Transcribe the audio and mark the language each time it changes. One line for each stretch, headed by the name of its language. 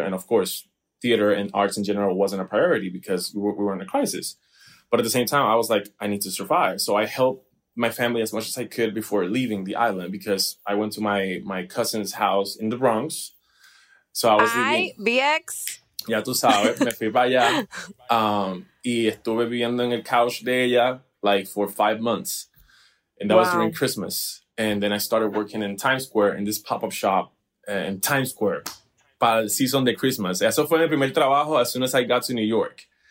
English: And of course, theater and arts in general wasn't a priority because we were in a crisis. But at the same time, I was like, I need to survive. So I helped my family as much as I could before leaving the island, because I went to my cousin's house in the Bronx. So I was leaving. BX.
Spanish: Ya tú sabes, me fui para allá. Y estuve viviendo en el couch de ella like for 5 months.
English: And that was during Christmas. And then I started working in Times Square, in this pop-up shop in Times Square, para el season de Christmas. Eso fue mi primer trabajo as soon as I got to New York.